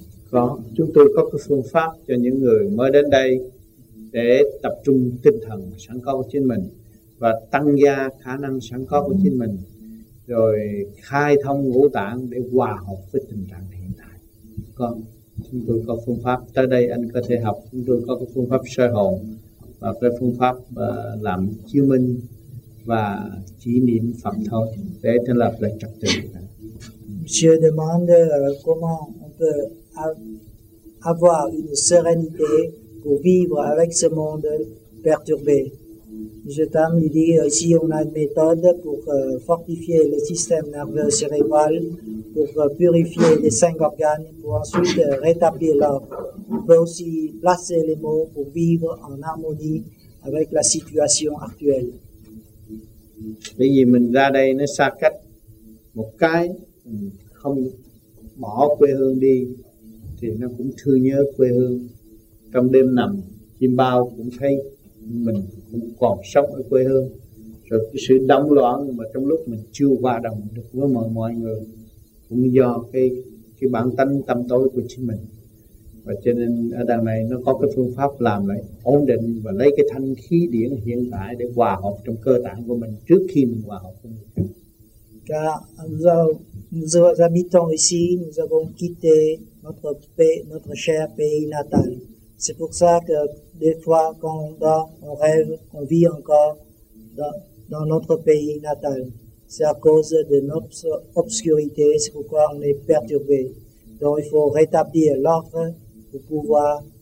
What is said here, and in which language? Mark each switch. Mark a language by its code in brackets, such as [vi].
[vi] Có, chúng tôi có cái phương pháp cho những người mới đến đây để tập trung tinh thần sẵn có của chính mình và tăng gia khả năng sẵn có của chính mình, rồi khai thông ngũ tạng để hòa hợp với tình trạng hiện tại. Có, chúng tôi có phương pháp tới đây anh có thể học. Chúng tôi có cái phương pháp soi hồn và cái phương pháp làm chiếu minh và chỉ niệm Phật thôi để thành lập lại trật tự. [fr] Monsieur demande comment on peut avoir une sérénité pour vivre avec ce monde perturbé. Monsieur Tam dit si on a une méthode pour fortifier le système nerveux cérébral, pour purifier les cinq organes, pour ensuite rétablir l'ordre. On peut aussi placer les mots pour vivre en harmonie avec la situation actuelle. [vi] Bởi vì mình ra đây nó xa cách một cái, không bỏ quê hương đi thì nó cũng thương nhớ quê hương. Trong đêm nằm chim bao cũng thấy mình cũng còn sống ở quê hương. Rồi cái sự đóng loạn mà trong lúc mình chưa hòa đồng được với mọi người cũng do cái bản tánh tâm tối của chính mình. Và cho nên ở đằng này nó có cái phương pháp làm lại ổn định và lấy cái thanh khí điển hiện tại để hòa hợp trong cơ tạng của mình trước khi mình hòa hợp. [fr] Car nous habitons ici, nous avons quitté notre cher pays natal. C'est pour ça que des fois quand on dort, on rêve, on vit encore dans notre pays natal. C'est à cause de notre obscurité, c'est pourquoi on est perturbé. Donc il faut rétablir l'ordre pour pouvoir